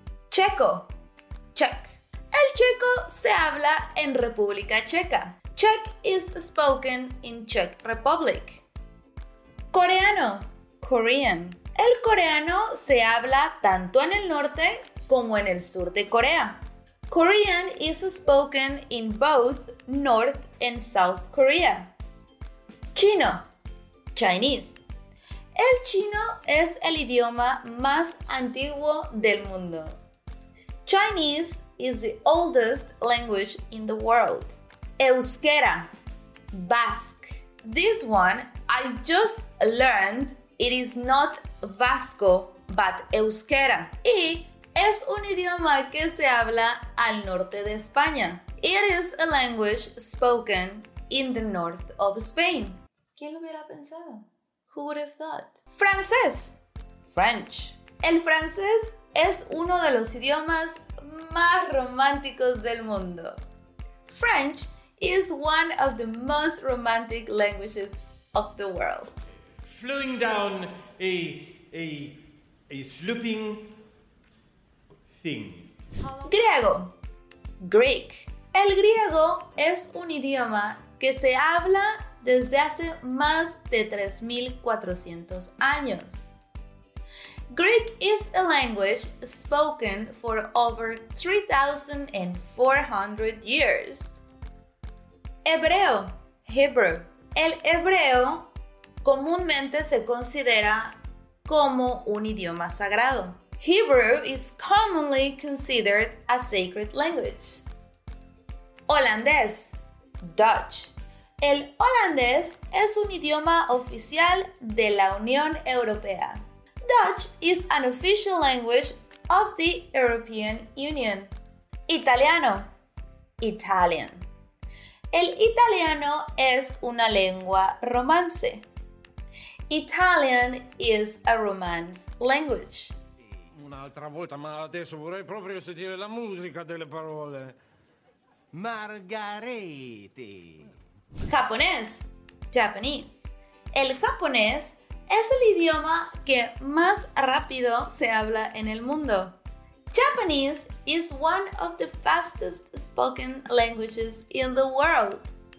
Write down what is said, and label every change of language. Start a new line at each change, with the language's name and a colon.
Spanish: Checo, Czech. El checo se habla en República Checa.
English: Czech is spoken in Czech Republic.
Spanish: Coreano, Korean. El coreano se habla tanto en el norte como en el sur de Corea.
English: Korean is spoken in both North and South Korea.
Spanish: Chino, Chinese. El chino es el idioma más antiguo del mundo.
English: Chinese is the oldest language in the world. Euskera, Basque. This one I just learned, it is not Vasco, but Euskera.
Spanish: Y es un idioma que se habla al norte de España.
English: It is a language spoken in the north of Spain.
Spanish: ¿Quién lo hubiera pensado?
English: Who would have thought?
Spanish: Francés, French. El francés es uno de los idiomas más románticos del mundo.
English: French is one of the most romantic languages of the world. Flowing down a slooping thing.
Spanish: Griego, Greek. El griego es un idioma que se habla desde hace más de 3,400 años.
English: Greek is a language spoken for over 3,400 years.
Spanish: Hebreo, Hebrew. El hebreo comúnmente se considera como un idioma sagrado.
English: Hebrew is commonly considered a sacred language.
Spanish: Holandés, Dutch. El holandés es un idioma oficial de la Unión Europea.
English: Dutch is an official language of the European Union.
Spanish: Italiano, Italian. El italiano es una lengua romance.
English: Italian is a Romance language.
Italian: Un'altra volta, ma adesso vorrei proprio sentire la musica delle parole. Margarete.
Spanish: Japonés, Japanese. El japonés es el idioma que más rápido se habla en el mundo.
English: Japanese is one of the fastest spoken languages in the world.